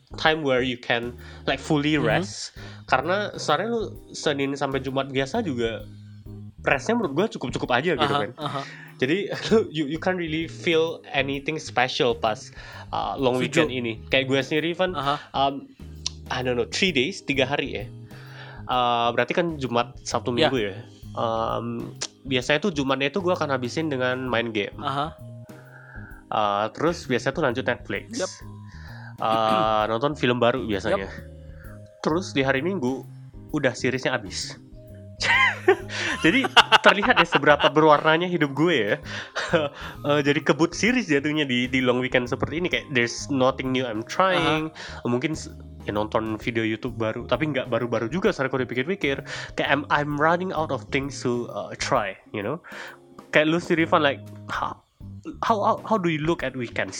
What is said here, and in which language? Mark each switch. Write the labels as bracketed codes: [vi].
[en] time where you can like fully rest. Mm-hmm. [id] Karena sebenarnya lu Senin sampai Jumat biasa juga restnya menurut gue cukup-cukup aja gitu kan. Jadi [en] you can't really feel anything special [id] pas long weekend ini. Kayak gue sendiri kan, [en] I don't know, 3 days, [id] 3 hari ya. Berarti kan Jumat, Sabtu, Minggu ya. Biasanya tuh Jumatnya tuh gue akan habisin dengan main game. Terus biasanya tuh lanjut Netflix. Nonton film baru biasanya. Terus di hari Minggu udah seriesnya habis. Jadi terlihat ya seberapa berwarnanya hidup gue ya. Jadi kebut series jatuhnya di long weekend seperti ini. [en] Kayak there's nothing new I'm trying. [id] Mungkin ya nonton video YouTube baru, tapi nggak baru-baru juga soalnya kalau dipikir-pikir. [en] Kayak I'm running out of things to try, you know. [id] Kayak lu sendiri [en] fun, like how do you look at weekends?